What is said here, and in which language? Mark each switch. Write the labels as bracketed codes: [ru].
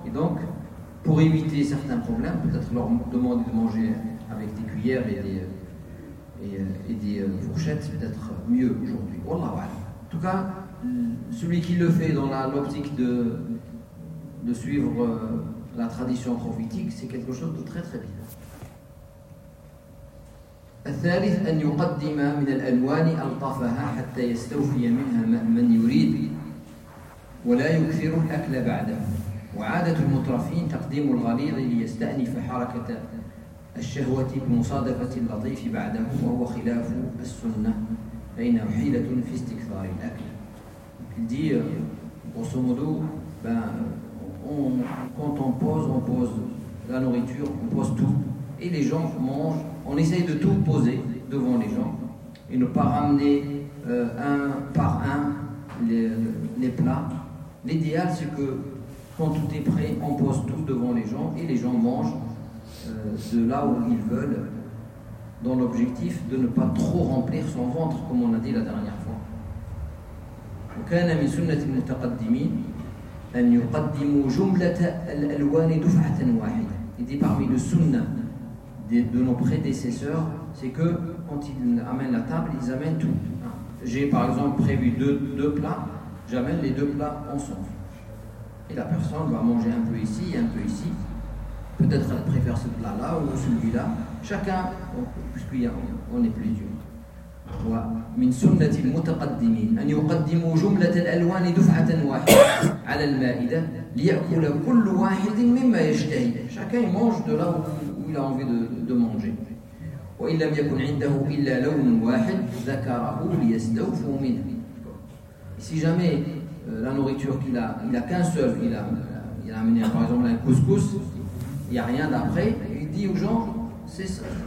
[fr] Et donc, pour éviter certains problèmes, peut-être leur demander de manger avec des cuillères et des fourchettes, c'est peut-être mieux aujourd'hui. Wallah wa'alam. En tout cas, celui qui le fait dans l'optique de suivre la tradition prophétique, c'est quelque chose de très très bien. [ar] الثالث أن يقدم من الألوان ألطفها حتى يستوفي منها من يريد ولا يكثر الأكل بعده. وعادة المترفين تقديم الغليظ ليستأنف حركة الشهوة بمصادفة اللطيف بعده وهو خلاف السنة فإنه حيلة في استكثار الأكل. [fr] Il dit, grosso modo, quand on pose la nourriture, on pose tout. Et les gens mangent, on essaye de tout poser devant les gens et ne pas ramener un par un les plats. L'idéal, c'est que quand tout est prêt, on pose tout devant les gens et les gens mangent de là où ils veulent, dans l'objectif de ne pas trop remplir son ventre, comme on a dit la dernière fois. [ar] وكان من سنة المتقدمين أن يقدموا جملة الألوان دفعة واحدة. [fr] Il dit parmi le sunna de nos prédécesseurs, c'est que quand ils amènent la table, ils amènent tout. J'ai par exemple prévu deux plats, j'amène les deux plats ensemble. Et la personne va manger un peu ici, un peu ici. Peut-être elle préfère ce plat-là ou celui-là. Chacun, puisqu'on est plusieurs. [ar] ومن سنة المتقدمين أن يقدموا جملة الألوان دفعة واحدة على المائدة ليأكل كل واحد مما يشتهي. [fr] Chacun mange de là où il a envie de manger. [ar] وإن لم يكن عنده إلا لون واحد ذكره ليستوفوا منه. [fr] Si jamais la nourriture qu'il a, il a qu'un seul, il a amené par exemple un couscous, il y a rien d'après, il dit aux gens, c'est ça.